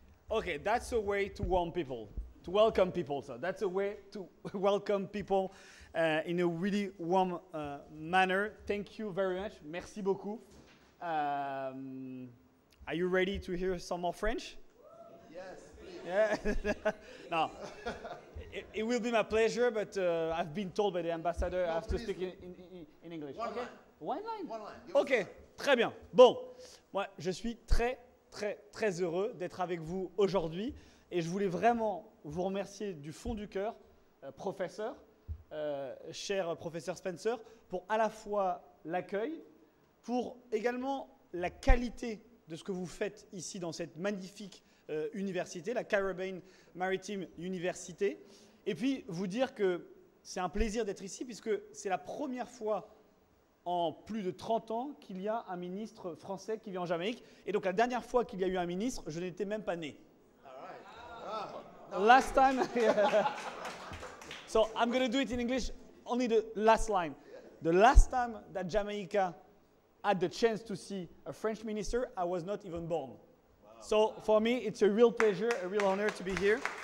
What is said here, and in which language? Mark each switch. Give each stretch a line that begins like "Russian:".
English: Okay, that's a way to warm people, to welcome people. So that's a way to welcome people in a really warm manner. Thank you very much.
French: Merci beaucoup.
English: Are you ready to hear some more French? Yes. Yeah. No. It will be my pleasure, but I've been told by the ambassador I have to speak in English. One line.
French: Okay, très bien. Bon, moi, je suis très, très, très heureux d'être avec vous aujourd'hui. Et je voulais vraiment vous remercier du fond du cœur, professeur, cher professeur Spencer, pour à la fois l'accueil, pour également la qualité de ce que vous faites ici dans cette magnifique université, la Caribbean Maritime University. Et puis, vous dire que c'est un plaisir d'être ici, puisque c'est la première fois en plus de 30 ans qu'il y a un ministre français qui vient en Jamaïque. Et donc, la dernière fois qu'il y a eu un ministre, je n'étais même pas né.
English: All right. Last time. So, I'm going to do it in English, only the last line. The last time that Jamaica had the chance to see a French minister, I was not even born. Wow. So, for me, it's a real pleasure, a real honor to be here.